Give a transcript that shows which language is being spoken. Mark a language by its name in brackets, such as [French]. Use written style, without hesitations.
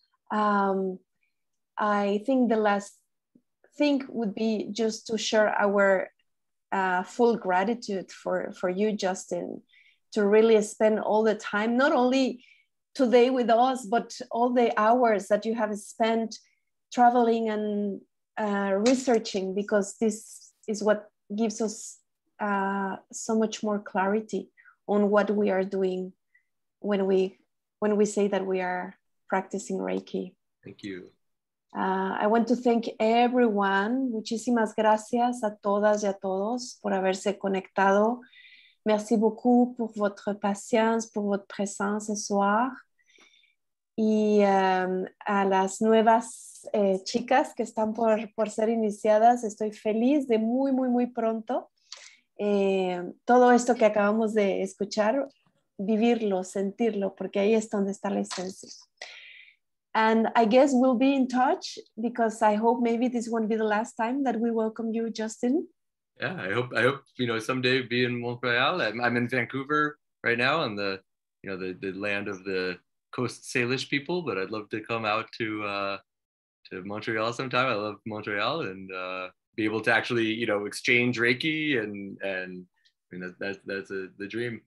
[English] I think the last thing would be just to share our full gratitude for you, Justin, to really spend all the time, not only today with us, but all the hours that you have spent traveling and researching, because this is what gives us so much more clarity on what we are doing when we say that we are practicing Reiki. Thank you. I want to thank everyone. [Spanish] Muchísimas gracias a todas y a todos por haberse conectado. [French] Merci beaucoup pour votre patience, pour votre présence ce soir. [Spanish] Y a las nuevas chicas que están por ser iniciadas, estoy feliz de muy, muy, muy pronto. Todo esto que acabamos de escuchar, vivirlo, sentirlo, porque ahí es donde está la esencia. [English] And I guess we'll be in touch, because I hope maybe this won't be the last time that we welcome you, Justin. Yeah, I hope, you know, someday be in Montreal. I'm in Vancouver right now on the, you know, the land of the Coast Salish people, but I'd love to come out to Montreal sometime. I love Montreal and be able to actually, you know, exchange Reiki and I mean, that's the dream.